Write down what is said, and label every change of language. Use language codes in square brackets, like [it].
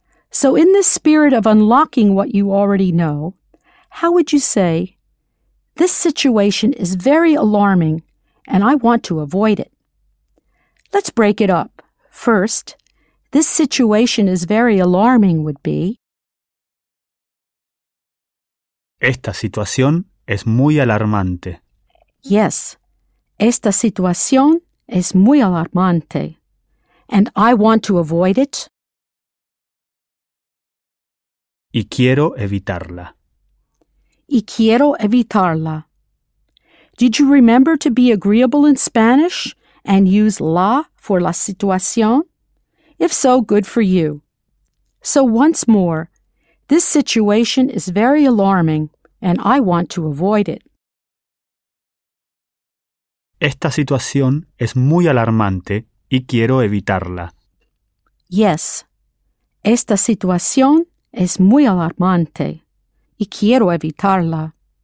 [en] So in this spirit of unlocking what you already know, how would you say, "This situation is very alarming, and I want to avoid it"? Let's break it up. First, this situation is very alarming would be. [es] Esta situación es muy alarmante. [en] Yes. [es] Esta situación es muy alarmante. [en] And I want to avoid it. [es] Y quiero evitarla. Y quiero evitarla. [en] Did you remember to be agreeable in Spanish and use la for la situación? If so, good for you. So once more, this situation is very alarming, and I want to avoid it. [es] Esta situación es muy alarmante y quiero evitarla. [en] Yes. [es] Esta situación es muy alarmante y quiero evitarla.